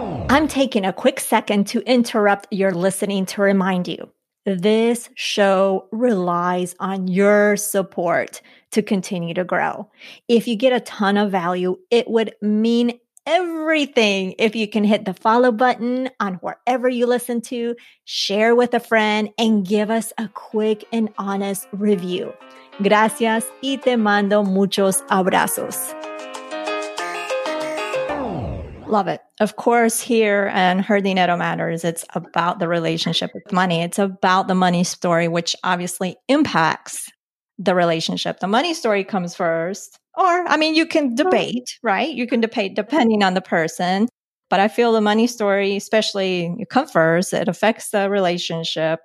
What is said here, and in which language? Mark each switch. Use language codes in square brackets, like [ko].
[en] I'm taking a quick second to interrupt your listening to remind you, this show relies on your support to continue to grow. If you get a ton of value, it would mean everything if you can hit the follow button on wherever you listen to, share with a friend, and give us a quick and honest review. [es] Gracias y te mando muchos abrazos. [en] Love it. Of course, here and Jardinero Matters, it's about the relationship with money. It's about the money story, which obviously impacts the relationship. The money story comes first. Or, I mean, you can debate, right? You can debate depending on the person. But I feel the money story, especially you come first, it affects the relationship.